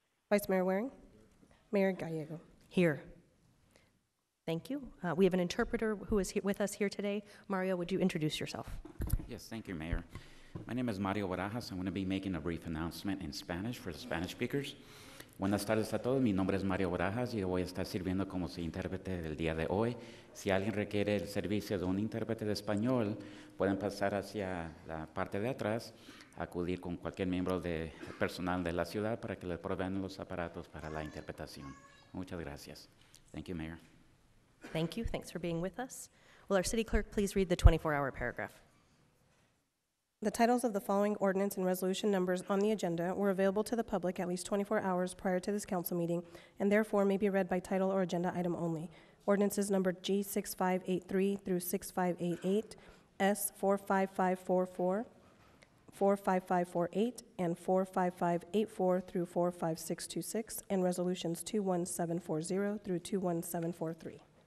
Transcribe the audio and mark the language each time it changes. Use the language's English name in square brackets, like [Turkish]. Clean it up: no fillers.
[English] Vice Mayor Waring? Here. Mayor Gallego? Here. Thank you. We have an interpreter who is with us here today. Mario, would you introduce yourself? Yes, thank you, Mayor. My name is Mario Barajas. I'm going to be making a brief announcement in Spanish for the Spanish speakers. [Spanish] Buenas tardes a todos. Mi nombre es Mario Barajas y voy a estar sirviendo como intérprete del día de hoy. Si alguien requiere el servicio de un intérprete de español, pueden pasar hacia la parte de atrás, acudir con cualquier miembro de personal de la ciudad para que les provean los aparatos para la interpretación. Muchas gracias. [English] Thank you, Mayor. Thank you. Thanks for being with us. Will our city clerk please read the 24-hour paragraph? The titles of the following ordinance and resolution numbers on the agenda were available to the public at least 24 hours prior to this council meeting and therefore may be read by title or agenda item only. Ordinances numbered G6583 through 6588, S45544, 45548, and 45584 through 45626, and resolutions 21740 through 21743.